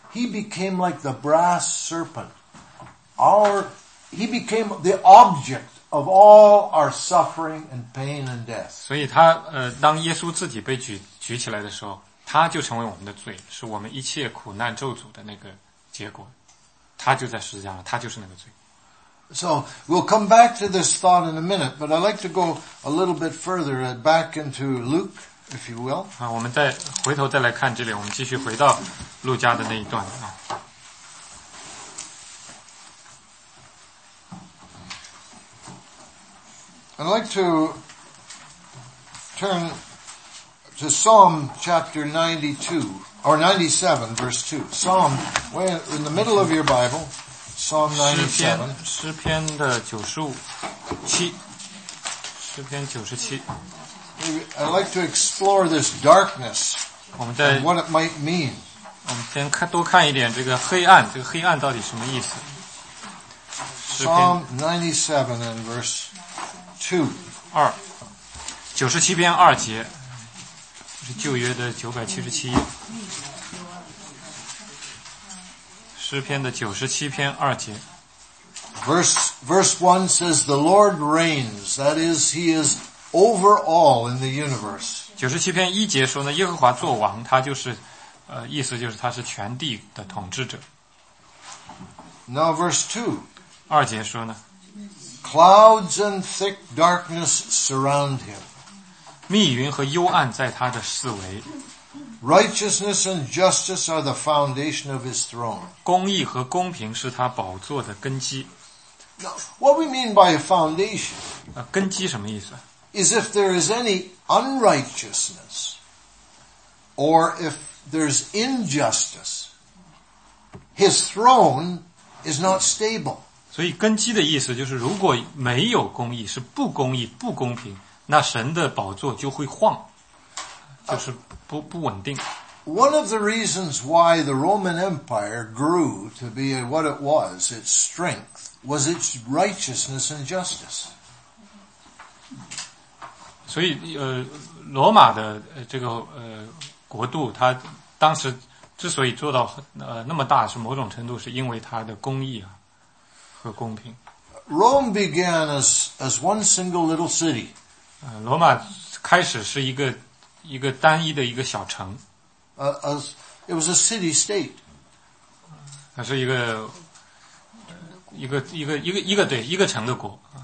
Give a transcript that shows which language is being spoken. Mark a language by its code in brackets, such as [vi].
[en] He became like the brass serpent. He became the object. Of all our suffering and pain and death. [zh] 所以他当耶稣自己被举起来的时候，他就成为我们的罪，是我们一切苦难咒诅的那个结果。他就在十字架上，他就是那个罪。 [en] So we'll come back to this thought in a minute, but I'd like to go a little bit further back into Luke, if you will. [zh] 我们再回头再来看这里，我们继续回到路加的那一段啊。 [en] I'd like to turn to Psalm chapter 92, or 97, verse 2. Psalm, in the middle of your Bible, Psalm 92, verse 2. Psalm 97. [zh] 诗篇的95:7. 诗篇97. [en] I'd like to explore this darkness and what it might mean. [zh] 我们先看多看一点这个黑暗，这个黑暗到底什么意思？ [en] Psalm 97 and verse 2. [zh] 二，九十七篇二节，是旧约的977页。诗篇的九十七篇二节。 [en] Verse 1 says, "The Lord reigns." That is, He is over all in the universe. [zh] 九十七篇一节说呢，耶和华作王，他就是，意思就是他是全地的统治者。 [en] Now verse 2. [zh] 二节说呢 [en] ，Clouds and thick darkness surround him. [zh] 密云和幽暗在他的四围。 [en] Righteousness and justice are the foundation of his throne. [zh] 公义和公平是他宝座的根基。 [en] Now, what we mean by a foundation? [zh] 根基什么意思？ [en] Is if there is any unrighteousness, or if there's injustice, his throne is not stable. [zh] 所以根基的意思就是，如果没有公义，是不公义、不公平，那神的宝座就会晃，就是。不稳定。 [en] One of the reasons why the Roman Empire grew to be what it was, its strength, was its righteousness and justice. [zh] 所以，罗马的这个国度，它当时之所以做到那么大，是某种程度是因为它的公义啊和公平。 [en] Rome began as one single little city. [zh] 罗马开始是一个。一个单一的一个小城。 [en] It was a city state. [zh] 它是一个城的国。